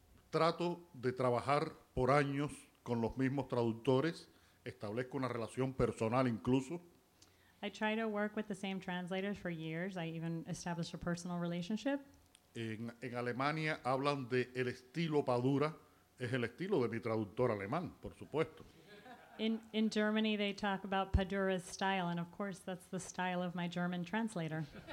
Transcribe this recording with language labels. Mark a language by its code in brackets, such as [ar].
[es] Trato de trabajar por años con los mismos traductores, establezco una relación personal incluso. [en] I try to work with the same translators for years. I even established a personal relationship. [es] En Alemania hablan de el estilo Padura. Es el estilo de mi traductor alemán, por supuesto. [en] In Germany, they talk about Padura's style, and of course, that's the style of my German translator.